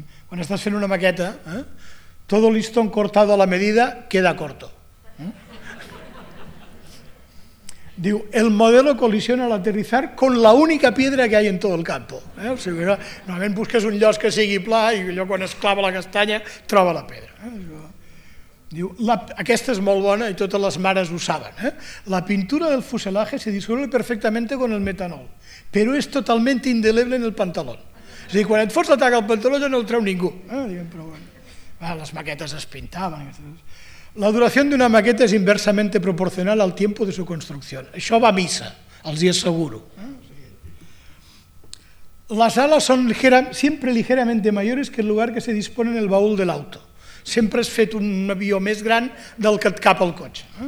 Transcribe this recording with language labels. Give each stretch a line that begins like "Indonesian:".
Catalan: Quan estàs fent una maqueta,
Spanish: todo listo en cortado a la medida, queda corto. Diu, el modelo colisiona al aterrizar con la única piedra que hay en todo el campo.
Catalan: O sigui, normalment busques un lloc que sigui pla i allò quan es clava la castanya troba la pedra. Diu, aquesta és molt bona i totes les mares ho saben.
Spanish: La pintura del fuselaje se disuelve perfectamente con el metanol, pero es totalmente indeleble en el pantalón.
Catalan: O sigui, quan et fots la taca al pantaló ja no el treu ningú. Diguem, però bueno. Les maquetes es pintaven. La duració d'una maqueta és inversament proporcional al temps de su construcció. Això va a missa, els hi asseguro. Les ales són sempre
Spanish: ligeramente mayores que el lugar que se dispone en el baúl
Catalan: de l'auto. Sempre has fet un avió més gran del que et cap al cotxe.